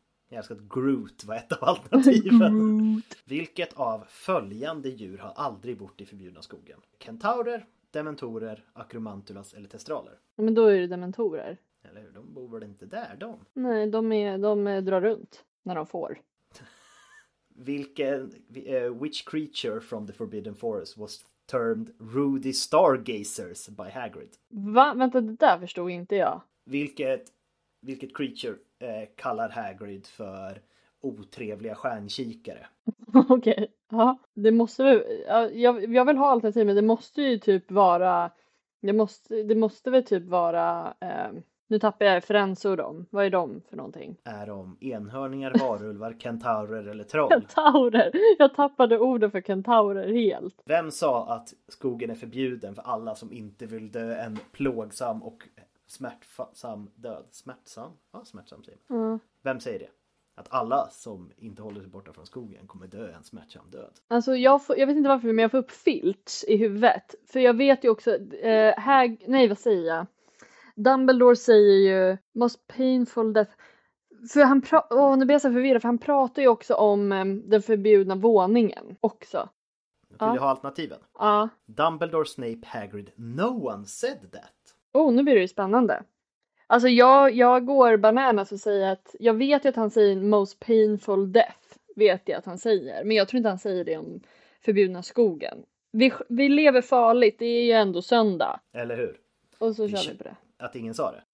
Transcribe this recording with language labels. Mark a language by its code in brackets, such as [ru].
[sv] Jag älskar att Groot var ett av alternativen. Groot. Vilket av följande djur har aldrig bott i förbjudna skogen? Kentaurer, dementorer, akromantulas eller testraler? Ja, men då är det dementorer. Eller hur? De bor väl inte där, de? Nej, de drar runt när de får. Vilken [en] which creature from the Forbidden Forest was termed Rudy Stargazers by Hagrid? [sv] Va? Vänta, det där förstod inte jag. Vilket creature kallar Hagrid för otrevliga stjärnkikare? Okej, okay. Ja, det måste väl... Jag vill ha allt det här, men det måste ju typ vara... Det måste väl typ vara... Nu tappar jag Firenze och dem. Vad är de för någonting? Är de enhörningar, varulvar, kentaurer eller troll? Kentaurer! Jag tappade orden för kentaurer helt. Vem sa att skogen är förbjuden för alla som inte vill dö en plågsam och smärtsam död? Smärtsam? Ja, smärtsam säger man. Mm. Vem säger det? Att alla som inte håller sig borta från skogen kommer dö en smärtsam död? Alltså jag vet inte varför, men jag får upp Filch i huvudet. För jag vet ju också... nej, vad säger jag? Dumbledore säger ju [en] most painful death. [sv] För han nu blir jag så förvirrad, för han pratar ju också om den förbjudna våningen också. Jag vill ju ha alternativen. Ja. [en] Dumbledore, Snape, Hagrid, no one said that. [sv] Oh, nu blir det ju spännande. Alltså jag går bananas och säger att jag vet ju att han säger [en] most painful death, [sv] vet jag att han säger. Men jag tror inte han säger det om förbjudna skogen. Vi lever farligt, det är ju ändå söndag. Eller hur? Och så kör vi på det. Att ingen sa det?